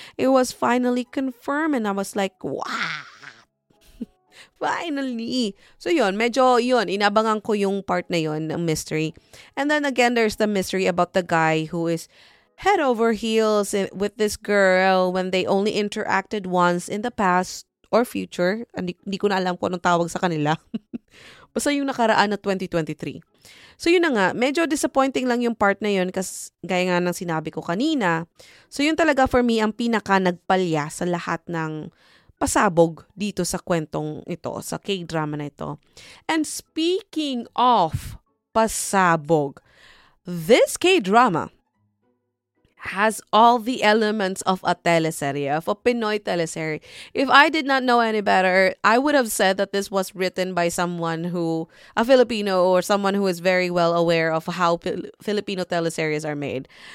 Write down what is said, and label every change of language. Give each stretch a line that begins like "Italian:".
English: It was finally confirmed and I was like, what? Finally!
Filipino: So yun, medyo yun, inabangan ko yung part na yun, ng mystery.
English: And then again, there's the mystery about the guy who is head over heels with this girl when they only interacted once in the past or future.
Filipino: Hindi ko na alam kung anong tawag sa kanila. Basta yung nakaraan na 2023. So yun na nga, medyo disappointing lang yung part na yun kasi gaya nga ng sinabi ko kanina. So yun talaga for me ang pinaka nagpalya sa lahat ng pasabog dito sa kwentong ito, sa K-drama na ito.
English: And speaking of pasabog, this K-drama has all the elements of a teleserye, of a Pinoy teleserye. If I did not know any better, I would have said that this was written by someone who, a Filipino or someone who is very well aware of how Filipino teleseries are made.